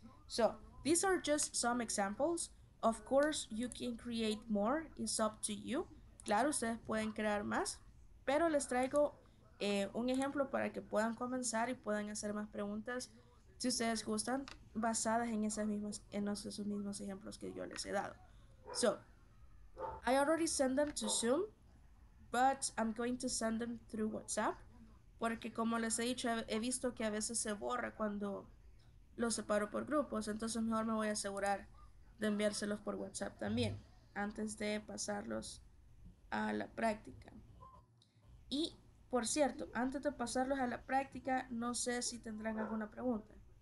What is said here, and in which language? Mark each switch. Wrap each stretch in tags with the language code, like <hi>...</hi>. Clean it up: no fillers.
<en>So, these are just some examples. Of course, you can create more. It's up to you.</en> <es>Claro, ustedes pueden crear más. Pero les traigo un ejemplo para que puedan comenzar y puedan hacer más preguntas si ustedes gustan, basadas en esas mismas, en esos mismos ejemplos que yo les he dado.</es> <en>So, I already sent them to Zoom, but I'm going to send them through WhatsApp.</en> <es>Porque como les he dicho, he visto que a veces se borra cuando los separo por grupos. Entonces mejor me voy a asegurar de enviárselos por WhatsApp también, antes de pasarlos a la práctica. Y, por cierto, antes de pasarlos a la práctica, no sé si tendrán alguna pregunta.</es>